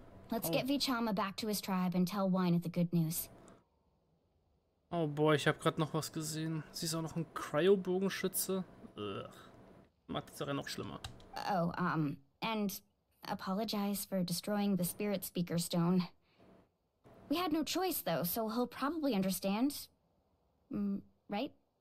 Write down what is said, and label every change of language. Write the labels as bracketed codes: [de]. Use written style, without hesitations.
[en] Let's get Vichama back to his tribe and tell Wine the good news. [de] Oh boy, ich hab grad noch was gesehen. Sie ist auch noch ein Cryo-Bogenschütze. Macht die Sache noch schlimmer. [en] Oh, and apologize for destroying the spirit speaker stone. We had no choice though, so he'll probably understand. Right?